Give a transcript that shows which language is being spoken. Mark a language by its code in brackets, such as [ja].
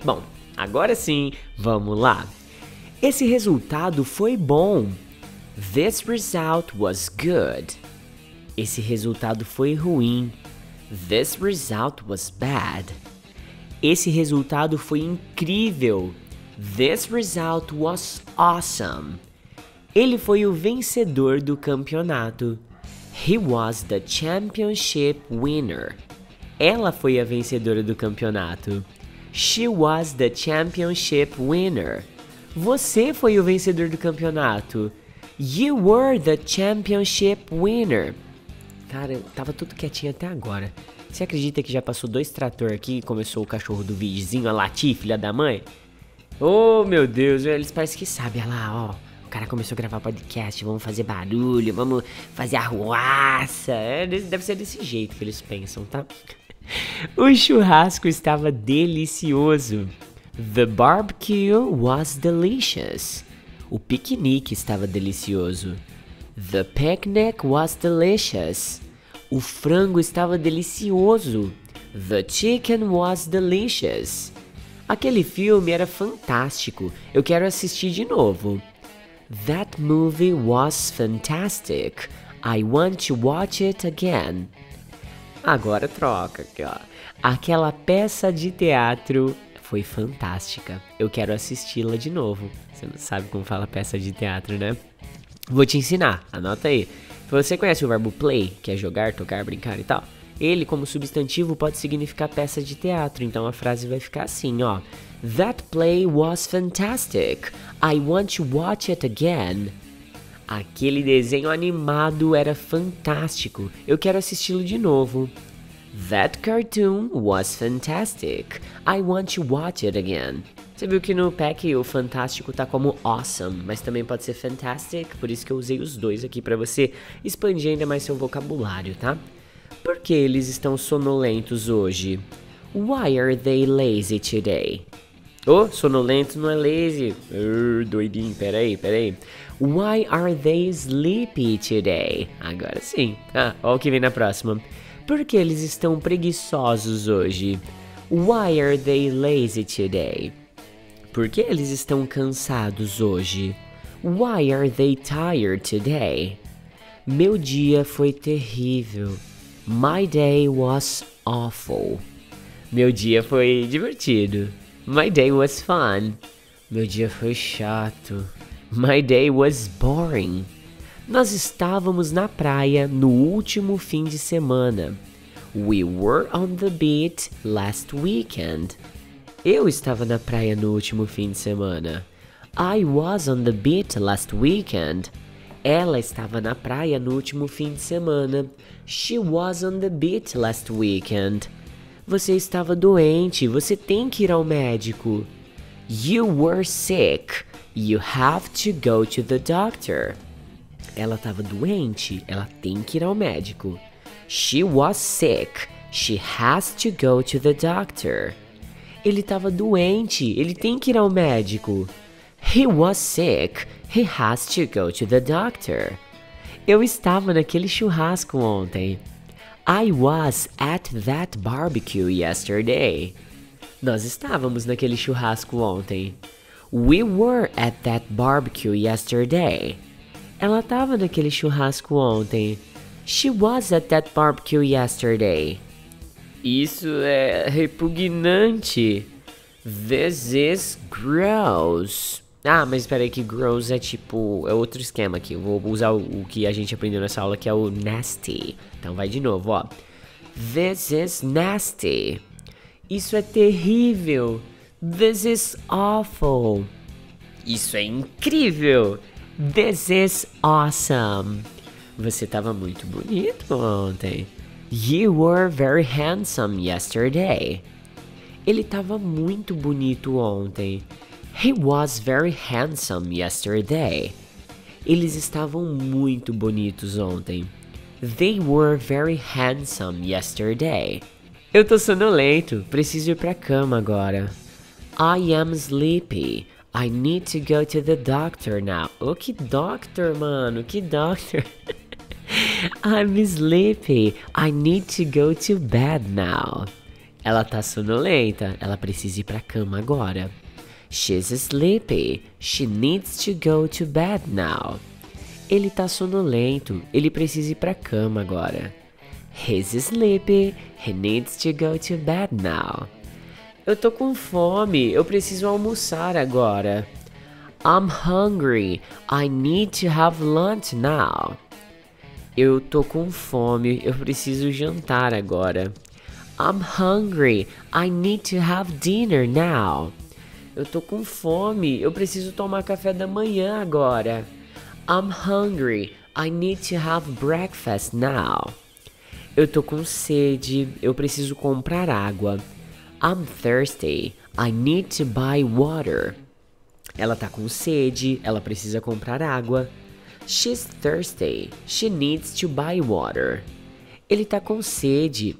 [pt] Bom, agora sim, vamos lá. Esse resultado foi bom. [en] This result was good. [pt] Esse resultado foi ruim. [en] This result was bad. [pt] Esse resultado foi incrível. [en] This result was awesome. [pt] Ele foi o vencedor do campeonato. [en] He was the championship winner. [pt] Ela foi a vencedora do campeonato. [en] She was the championship winner. [pt] Você foi o vencedor do campeonato. [en] You were the championship winner. [pt] Cara, tava tudo quietinho até agora. Você acredita que já passou 2 tratores aqui e começou o cachorro do vizinho a latir, filha da mãe? Oh, meu Deus, eles parecem que sabem, olha lá, ó. O cara começou a gravar podcast, vamos fazer barulho, vamos fazer arruaça. É, deve ser desse jeito que eles pensam, tá? O churrasco estava delicioso. [en] The barbecue was delicious. [pt] O piquenique estava delicioso. [en] The picnic was delicious. [pt] O frango estava delicioso. [en] The chicken was delicious. [pt] Aquele filme era fantástico. Eu quero assistir de novo. [en] That movie was fantastic. I want to watch it again. [pt] Agora troca aqui, ó. Aquela peça de teatro foi fantástica. Eu quero assisti-la de novo. Você não sabe como fala peça de teatro, né? Vou te ensinar, anota aí. Você conhece o verbo play, que é jogar, tocar, brincar e tal? Ele, como substantivo, pode significar peça de teatro. Então a frase vai ficar assim, ó. [en] That play was fantastic. I want to watch it again. [pt] Aquele desenho animado era fantástico. Eu quero assisti-lo de novo. [en] That cartoon was fantastic. I want to watch it again. [pt] Você viu que no pack o fantástico tá como awesome, mas também pode ser fantastic, por isso que eu usei os dois aqui pra você expandir ainda mais seu vocabulário, tá? Por que eles estão sonolentos hoje? [en] Why are they lazy today? [pt] Oh, sonolento não é lazy. Doidinho, peraí. [en] Why are they sleepy today? [pt] Agora sim. Ah, olha o que vem na próxima. Por que eles estão preguiçosos hoje? [en] Why are they lazy today? [pt] Por que eles estão cansados hoje? [en] Why are they tired today? [pt] Meu dia foi terrível. [en] My day was awful. [pt] Meu dia foi divertido. [en] My day was fun. [pt] Meu dia foi chato. [en] My day was boring. [pt] Nós estávamos na praia no último fim de semana. [en] We were on the beach last weekend. [pt] Eu estava na praia no último fim de semana. [en] I was on the beach last weekend. [pt] Ela estava na praia no último fim de semana. [en] She was on the beach last weekend. [pt] Você estava doente. Você tem que ir ao médico. [en] You were sick. You have to go to the doctor. [pt] Ela estava doente. Ela tem que ir ao médico. [en] She was sick. She has to go to the doctor. [pt] Ele estava doente. Ele tem que ir ao médico. [en] He was sick. He has to go to the doctor. [pt] Eu estava naquele churrasco ontem. [en] I was at that barbecue yesterday. [pt] Nós estávamos naquele churrasco ontem. [en] We were at that barbecue yesterday. [pt] Ela estava naquele churrasco ontem. [en] She was at that barbecue yesterday. [pt] Isso é repugnante. [en] This is gross. [pt] Ah, mas espera aí que gross é tipo... É outro esquema aqui. Eu vou usar o que a gente aprendeu nessa aula, que é o nasty. Então vai de novo, ó. [en] This is nasty. [pt] Isso é terrível. [en] This is awful. [pt] Isso é incrível. [en] This is awesome. [pt] Você tava muito bonito ontem. [en] You were very handsome yesterday. [pt] Ele tava muito bonito ontem. [en] He was very handsome yesterday. [pt] Eles estavam muito bonitos ontem. [en] They were very handsome yesterday. [pt] Eu tô sonolento. Preciso ir pra cama agora. [en] I am sleepy. I need to go to the doctor now. [pt] Oh, que doctor, mano. Que doctor. [en] I'm sleepy. I need to go to bed now. [pt] Ela tá sonolenta. Ela precisa ir pra cama agora. [en] She's sleepy. She needs to go to bed now. [pt] Ele tá sonolento. Ele precisa ir pra cama agora. [en] He's sleepy. He needs to go to bed now. [pt] Eu tô com fome. Eu preciso almoçar agora. [en] I'm hungry. I need to have lunch now. [pt] Eu tô com fome. Eu preciso jantar agora. [en] I'm hungry. I need to have dinner now. [pt] Eu tô com fome. Eu preciso tomar café da manhã agora. [en] I'm hungry. I need to have breakfast now. [pt] Eu tô com sede. Eu preciso comprar água. [en] I'm thirsty. I need to buy water. [pt] Ela tá com sede. Ela precisa comprar água. [en] She's thirsty. She needs to buy water. [pt] Ele tá com sede.